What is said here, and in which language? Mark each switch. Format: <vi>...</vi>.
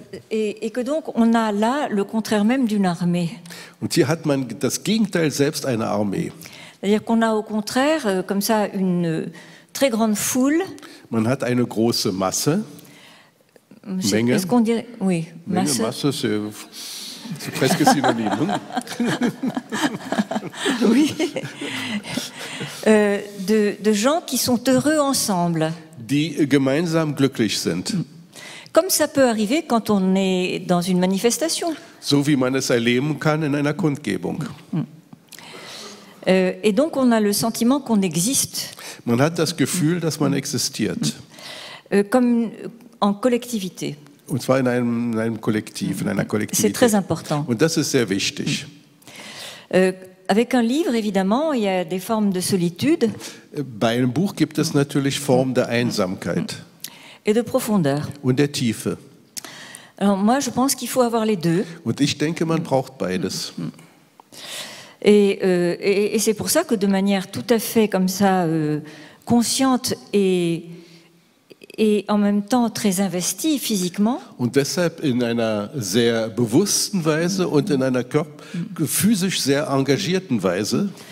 <fr>Et que donc on a là le contraire même d'une armée.</fr> <de>Und hier hat man das Gegenteil selbst einer Armee.</de> <fr>C'est-à-dire qu'on a au contraire comme ça une très grande foule.</fr> <de>Man hat eine große Masse. Menge.</de> <fr>Est-ce qu'on dirait? Oui,</fr> <de>Menge, Masse.</de> <fr>C'est presque synonyme. Oui. De gens qui sont heureux ensemble.</fr> <de>Die gemeinsam glücklich sind.</de> <fr>Comme ça peut arriver quand on est dans une manifestation.</fr> <de>So wie man es erleben kann in einer Kundgebung.</de> <fr>Et donc on a le sentiment qu'on existe.</fr> <de>Man hat das Gefühl, dass man existiert.</de> <fr>Comme en collectivité.</fr> <de>Und zwar in einem Kollektiv, in einer Kollektivität.</de> <fr>C'est très important.</fr> <de>Und das ist sehr wichtig.</de> <fr>Avec un livre, évidemment, il y a des formes de solitude.</fr> <de>Bei einem Buch gibt es natürlich Formen der Einsamkeit.</de> <fr>Et de profondeur.</fr> <de>Und der Tiefe.</de> <fr>Alors moi, je pense qu'il faut avoir les deux.</fr> <de>Und ich denke, man braucht beides.</de> <fr>Et c'est pour ça que de manière tout à fait comme ça consciente et en même temps très investie physiquement.</fr> <de>Und deshalb in einer sehr bewussten Weise und in einer physisch sehr engagierten Weise.</de>